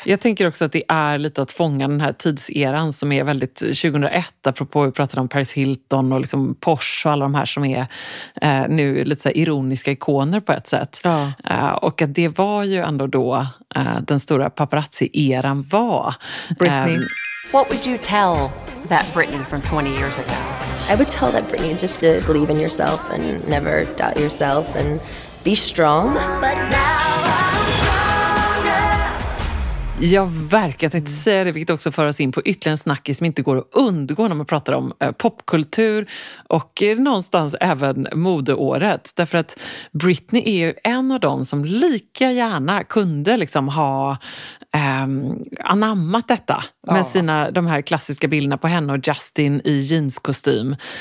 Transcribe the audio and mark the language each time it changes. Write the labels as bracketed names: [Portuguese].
[Swedish] Jag tänker också att det är lite att fånga den här tidseran som är väldigt 2001, apropå vi pratade om Paris Hilton och liksom Porsche och alla de här som är nu lite så här ironiska ikoner på ett sätt. Ja. Och att det var ju ändå då den stora paparazzi-eran var. Britney. [English] What would you tell that Britney from 20 years ago? I would tell that Brittany just to believe in yourself and never doubt yourself and be strong. But now [Swedish] jag verkar inte säga det, vilket också för oss in på ytterligare en snackis som inte går att undgå när man pratar om popkultur och någonstans även modeåret. Därför att Britney är ju en av dem som lika gärna kunde liksom ha anammat detta med sina, de här klassiska bilderna på henne och Justin i jeanskostym.